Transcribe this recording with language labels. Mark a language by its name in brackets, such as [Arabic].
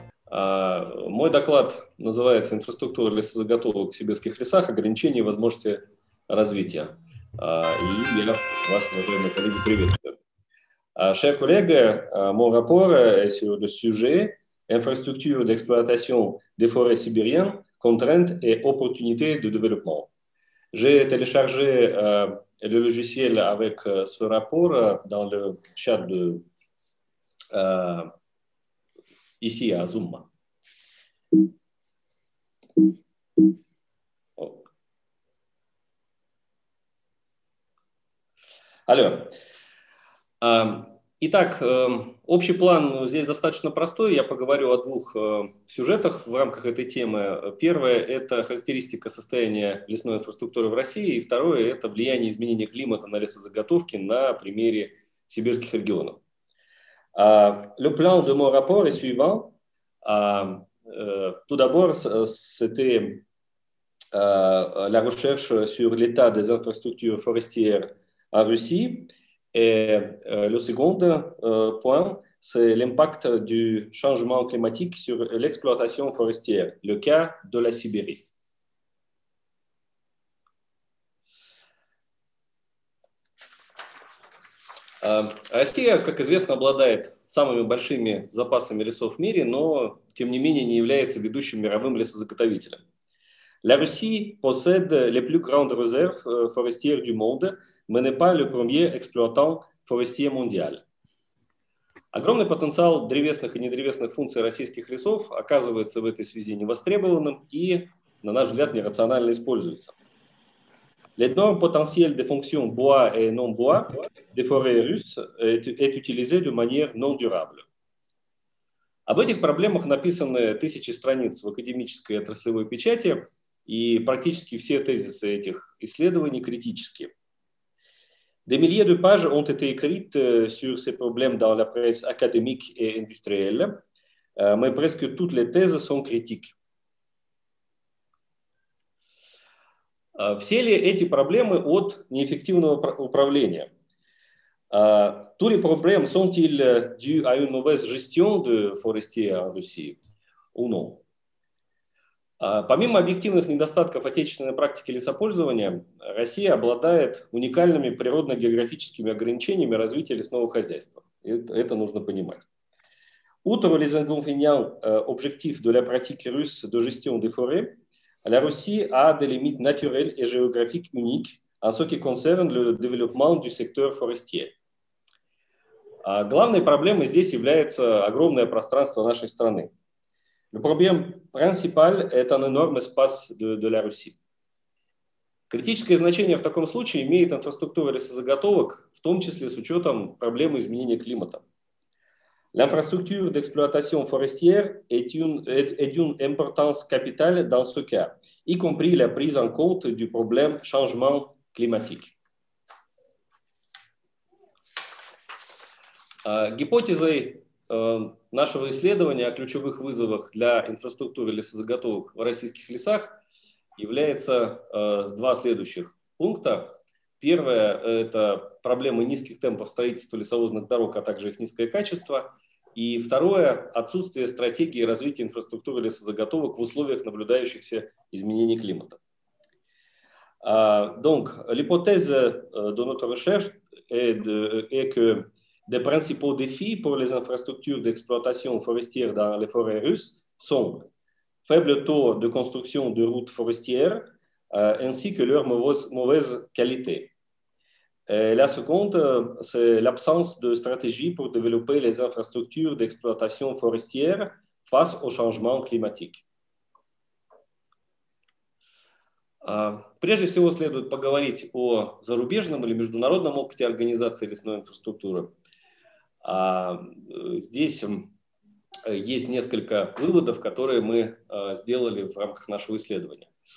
[Russian] Мой доклад называется «Инфраструктура лесозаготовок в сибирских лесах. Ограничения и возможности развития». И я вас, уважаемые коллеги, приветствую. [French] Chers collègues, mon rapport est sur le sujet «Инфраструктура d'exploitation des forêts sibériennes, contraintes et opportunités de développement». J'ai téléchargé le logiciel avec ce rapport dans le chat de ici à Zoom. [Russian] Алло. Итак, общий план здесь достаточно простой. Я поговорю о двух сюжетах в рамках этой темы. Первое – это характеристика состояния лесной инфраструктуры в России. И второе – это влияние изменения климата на лесозаготовки на примере сибирских регионов. [French] Le plan de mon rapport est suivant. Tout d'abord, c'était la recherche sur l'état des infrastructures forestières en Russie. Et le second point, c'est l'impact du changement climatique sur l'exploitation forestière, le cas de la Sibérie. [Russian] Россия, как известно, обладает самыми большими запасами лесов в мире, но, тем не менее, не является ведущим мировым лесозаготовителем. [French] La Russie possède les plus grandes réserves forestières du monde, mais n'est pas le premier exploitant forestier mondial. [Russian] Огромный потенциал древесных и недревесных функций российских лесов оказывается в этой связи невостребованным и, на наш взгляд, нерационально используется. [French] L'énorme potentiel des fonctions bois et non bois des forêts russes est utilisé de manière non durable. [Russian] Об этих проблемах написаны тысячи страниц в академической отраслевой печати, и практически все тезисы этих исследований критические. [French] Des milliers de pages ont été écrites sur ces problèmes dans la presse académique et industrielle, mais presque toutes les thèses sont critiques. [Russian] Все ли эти проблемы от неэффективного управления? [French] Tous les problèmes sont-ils dus à une mauvaise gestion de forestier en Russie? Ou non? [Russian] Помимо объективных недостатков отечественной практики лесопользования, Россия обладает уникальными природно-географическими ограничениями развития лесного хозяйства. Это нужно понимать. [French] Outre les inconvénients objectifs de la pratique russe de gestion des forêts, la Russie a des limites naturelles et géographiques uniques en ce qui concerne le développement du secteur forestier. [Russian] Главной проблемой здесь является огромное пространство нашей страны. [French] Le problème principal est un énorme espace de la Russie. [Russian] Критическое значение в таком случае имеет инфраструктура лесозаготовок, в том числе с учетом проблемы изменения климата. [French] L'infrastructure d'exploitation forestière est d'une importance capitale dans ce cas, y compris la prise en compte du problème changement climatique. [Russian] Гипотезой нашего исследования о ключевых вызовах для инфраструктуры лесозаготовок в российских лесах является два следующих пункта. Первое – это проблемы низких темпов строительства лесовозных дорог, а также их низкое качество. И второе – отсутствие стратегии развития инфраструктуры лесозаготовок в условиях наблюдающихся изменений климата. [French] Donc, l'hypothèse de notre recherche est que des principaux défis pour les infrastructures d'exploitation forestière dans les forêts russes sont faible taux de construction de routes forestières ainsi que leur mauvaise qualité. Et la seconde, c'est l'absence de stratégie pour développer les infrastructures d'exploitation forestière face au changement climatique. [Russian] Прежде всего, следует поговорить о зарубежном или международном опыте организации лесной инфраструктуры. Здесь есть несколько выводов, которые мы сделали в рамках нашего исследования.